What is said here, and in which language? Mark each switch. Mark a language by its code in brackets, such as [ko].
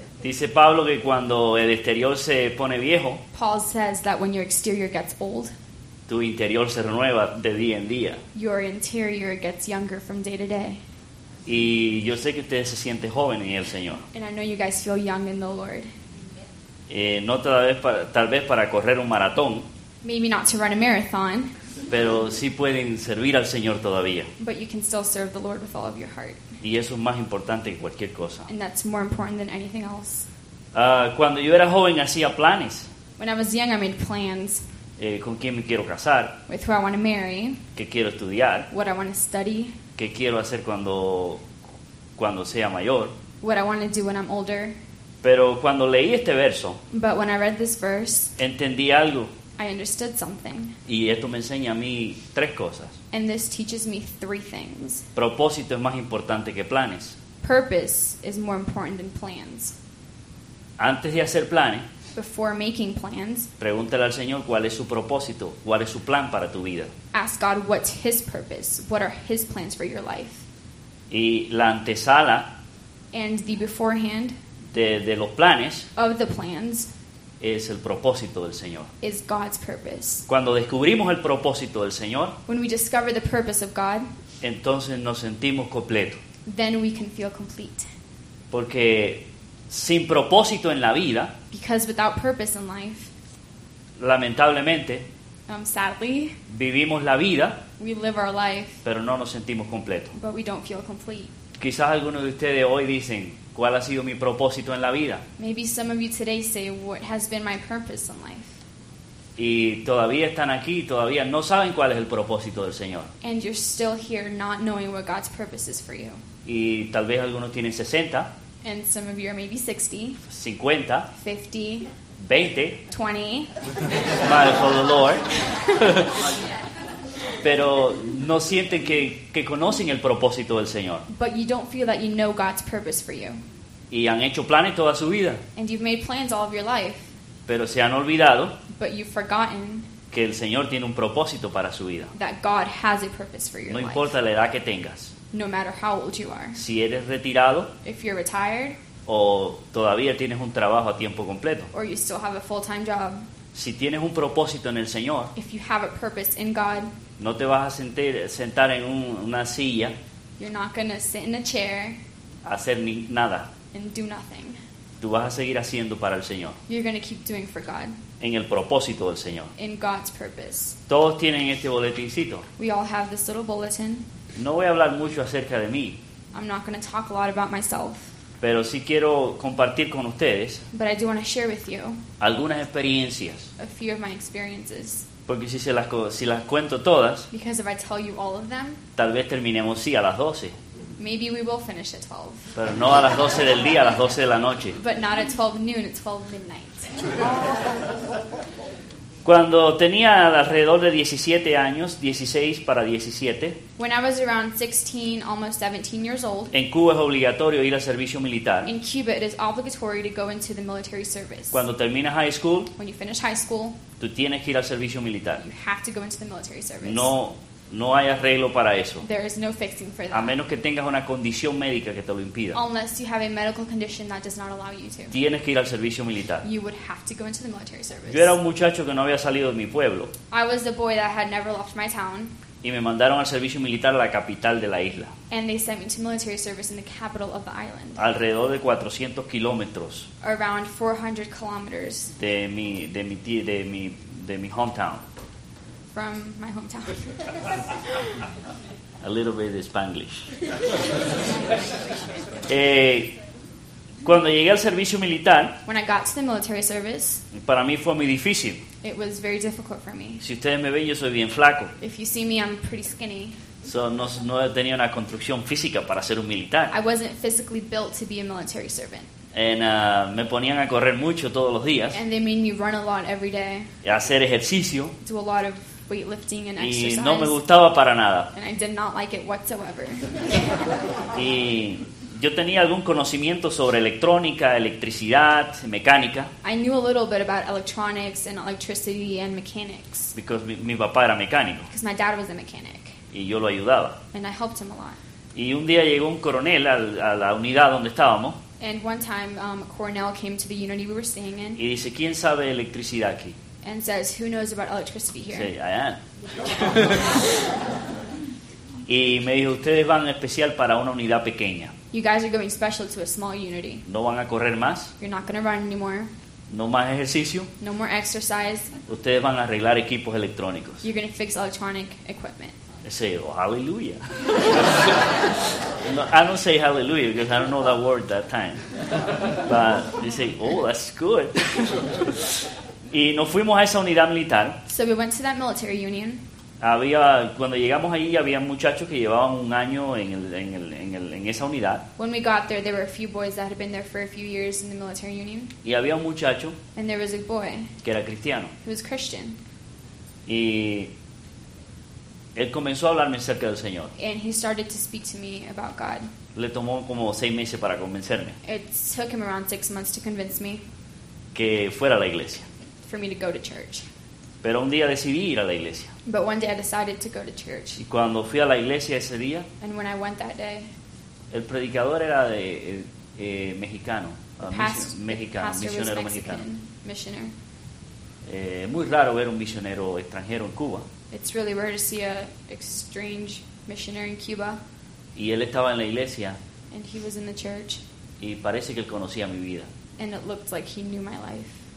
[es] Dice Pablo que cuando el exterior se pone viejo, [en] Paul says that when your exterior gets old, [es] tu interior se renueva de día en día. [en] Your interior gets younger from day to day. [es] Y yo sé que ustedes se sienten jóvenes en el Señor. [en] And I know you guys feel young in the Lord. [es] No tal vez para correr un maratón. [en] Maybe not to run a marathon. [es] Pero sí pueden servir al Señor todavía. [en] But you can still serve the Lord with all of your heart. [es] Y eso es más importante que cualquier cosa. [en] And that's more important than anything else. [es] Cuando yo era joven hacía planes. [en] When I was young I made plans. [es] Con quién me quiero casar. [en] With who I want to marry. [es] Qué quiero estudiar. [en] What I want to study. [es] Qué quiero hacer cuando sea mayor. [en] What I want to do when I'm older. [es] Pero cuando leí este verso, [en] but when I read this verse, [es] entendí algo. [en] I understood something. [es] Y esto me enseña a mí tres cosas. [en] And this teaches me three things. [es] Propósito es más importante que planes. [en] Purpose is more important than plans. [es] Antes de hacer planes, [en] before making plans, [es] pregúntale al Señor cuál es su propósito, cuál es su plan para tu vida. [en] Ask God what's His purpose, what are His plans for your life. [es] Y la antesala, [en] and the beforehand, [es] de los planes, [en] of the plans, [es] es el propósito del Señor. [en] Is God's purpose. [es] Cuando descubrimos el propósito del Señor, [en] when we discover the purpose of God, [es] entonces nos sentimos completos. [en] Then we can feel complete. [es] Porque sin propósito en la vida, [en] because without purpose in life, [es] lamentablemente, [en] sadly, [es] vivimos la vida, [en] we live our life, [es] pero no nos sentimos completos. [en] But we don't feel complete. [es] Quizás algunos de ustedes hoy dicen, ¿cuál ha sido mi propósito en la vida? [en] Maybe some of you today say, what has been my purpose in life? [es] Y todavía están aquí, todavía no saben cuál es el propósito del Señor. [en] And you're still here not knowing what God's purpose is for you. [es] Y tal vez algunos tienen 60. [en] And some of you are maybe 60. [es] 50. [en] 50. [es] 20. [en] 20. Smile for the Lord. [es] Pero no sienten que conocen el propósito del Señor. [en] But you don't feel that you know God's purpose for you. [es] Y han hecho planes toda su vida. [en] And you've made plans all of your life. [es] Pero se han olvidado. [en] But you've forgotten. [es] Que el Señor tiene un propósito para su vida. [en] That God has a purpose for your [es] life. No importa la edad que tengas. [en] No matter how old you are. [es] Si eres retirado. [en] If you're retired. [es] O todavía tienes un trabajo a tiempo completo. [en] Or you still have a full-time job. [es] Si tienes un propósito en el Señor. [en] If you have a purpose in God. [es] No te vas a sentar en una silla. [en] You're not going to sit in a chair. [es] Hacer ni nada. [en] And do nothing. [es] Tú vas a seguir haciendo para el Señor. [en] You're going to keep doing for God. [es] En el propósito del Señor. [en] In God's purpose. [es] Todos tienen este boletincito. [en] We all have this little bulletin. [es] No voy a hablar mucho acerca de mí. [en] I'm not going to talk a lot about myself. [es] Pero sí quiero compartir con ustedes. [en] But I do want to share with you. [es] Algunas experiencias. [en] A few of my experiences. [es] Porque si las cuento todas. [en] Because if I tell you all of them. [es] Tal vez terminemos sí a las 12. [en] Maybe we will finish at 12. [es] Pero no a las 12 del día, a las 12 de la noche. [en] But not at 12 noon, at 12 midnight. [es] Cuando tenía alrededor de 17 años, 16 para 17. [en] When I was around 16, almost 17 years old. [es] En Cuba es obligatorio ir al servicio militar. [en] In Cuba it is obligatory to go into the military service. [es] Cuando terminas high school. [en] When you finish high school. [es] Tú tienes que ir al servicio militar. [en] You have to go into the military service. [es] No hay arreglo para eso. [en] There is no fixing for that. [es] A menos que tengas una condición médica que te lo impida. [en] Unless you have a medical condition that does not allow you to. [es] Tienes que ir al servicio militar. [en] You would have to go into the military service. [es] Yo era un muchacho que no había salido de mi pueblo. [en] I was a boy that had never left my town. [es] Y me mandaron al servicio militar a la capital de la isla. [en] And they sent me to military service in the capital of the island. [es] Alrededor de 400 kilómetros. [en] Around 400 kilometers. [es] De mi hometown. [en] From my hometown. A little bit of Spanglish. [es] Cuando llegué al servicio militar, [en] when I got to the military service, [es] para mí fue muy difícil. [en] It was very difficult for me. [es] Si ustedes me ven, yo soy bien flaco. [en] If you see me, I'm pretty skinny. [es] So no tenía una construcción física para ser un militar. [en] I wasn't physically built to be a military servant. [es] And me ponían a correr mucho todos los días. [en] And they made me run a lot every day. [es] Y hacer ejercicio. [en] Do a lot of weightlifting and exercise. [es] Y no me gustaba para nada. [en] And I did not like it whatsoever. [es] Y yo tenía algún conocimiento sobre electrónica, electricidad, mecánica. [en] I knew a little bit about electronics and electricity and mechanics. [es] Because mi papá era mecánico. [en] Because my dad was a mechanic. [es] y yo lo ayudaba. [en] And I helped him a lot. [es] Y un día llegó un coronel a la unidad donde estábamos. [en] And one time, a coronel came to the unity we were staying in. [es] Y dice, ¿quién sabe electricidad aquí? [en] And says, who knows about electricity here? Sí, I am. [es] Y me dijo, ustedes van especial para una unidad pequeña. [en] You guys are going special to a small unity. [es] No van a correr más. [en] You're not going to run anymore. [es] No más ejercicio. [en] No more exercise. [es] Ustedes van a arreglar equipos electrónicos. [en] You're going to fix electronic equipment. Say, oh, hallelujah. No, I don't say hallelujah because I don't know that word that time. But they say, oh, that's good. [es] Y nos fuimos a esa unidad militar. [en] So we went to that military union. [es] Había, cuando llegamos allí, había muchachos que llevaban un año en esa unidad. [en] When we got there, there were a few boys that had been there for a few years in the military union. [es] Y había un muchacho. [en] And there was a boy. [es] Que era cristiano. [en] Who was Christian. [es] Y él comenzó a hablarme acerca del Señor. [en] And he started to speak to me about God. [es] Le tomó como 6 meses para convencerme. [en] It took him around 6 months to convince me. [es] Que fuera a la iglesia. [en] For me to go to church. [es] Pero un día decidí ir a la iglesia. [en] But one day I decided to go to church. [es] Y cuando fui a la iglesia ese día. [en] And when I went that day. [es] El predicador era de mexicano. [en] Pastor was Mexican. [es] Muy raro ver un misionero extranjero en Cuba. [en] It's really rare to see a strange missionary in Cuba. [es] Y él estaba en la iglesia. [en] And he was in the church. [es] Y parece que él conocía mi vida. [en] And it looked like he knew my life.